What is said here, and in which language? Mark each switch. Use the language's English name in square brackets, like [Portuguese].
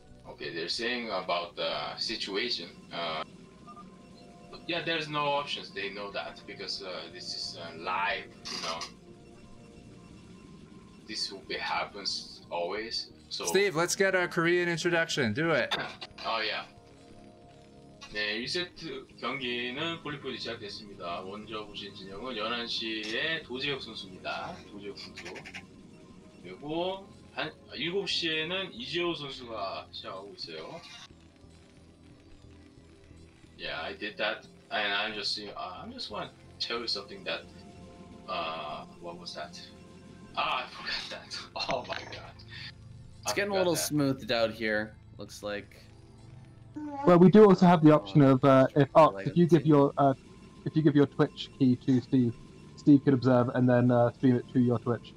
[English] Okay, they're saying about the situation. Yeah, there's no options. They know that because this is live, you know. This will be happens always. So, Steve, let's get our Korean introduction. Do it. Oh yeah. [Korean] 네, 1세트 경기는 폴리포지 시작됐습니다. 먼저 보신 진영은 11시에 도재혁 선수입니다. 도재혁 선수. 그리고 7시에는 이재호 선수가 시작하고 있어요. [English] Yeah, I did that. And I'm just, I'm just want to tell you something that, what was that? Ah, I forgot that. Oh my god. It's getting a little smoothed out here, looks like. Well, we do also have the option of if you give your Twitch key to Steve, Steve could observe and then stream it to your Twitch.